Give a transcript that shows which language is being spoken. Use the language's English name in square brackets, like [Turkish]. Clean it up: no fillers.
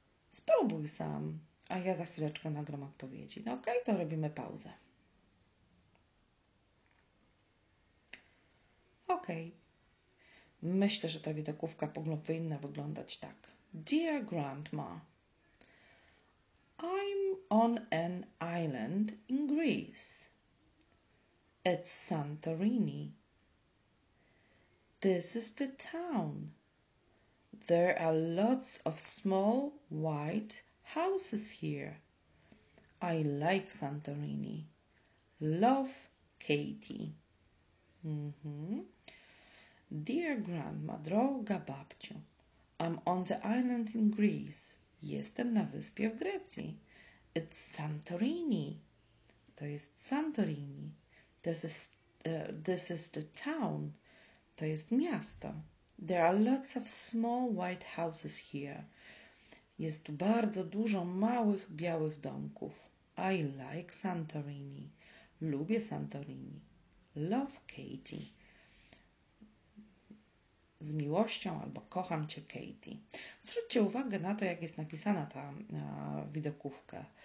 [Polish] Spróbuj sam, a ja za chwileczkę nagram odpowiedzi. No okej, to robimy pauzę. Okej. Myślę, że ta widokówka powinna wyglądać tak. [English] Dear Grandma, I'm on an island in Greece. It's Santorini. This is the town. There are lots of small white houses here. I like Santorini. Love, Katie. Dear Grandma, [Polish] droga babciu, [English] I'm on the island in Greece. [Polish] Jestem na wyspie w Grecji. [English] It's Santorini. [Polish] To jest Santorini. [English] This is the town. [Polish] To jest miasto. [English] There are lots of small white houses here. [Polish] Jest tu bardzo dużo małych białych domków. [English] I like Santorini. [Polish] Lubię Santorini. Love, Katie. Z miłością albo kocham cię, Katie. Zwróćcie uwagę na to, jak jest napisana ta widokówka.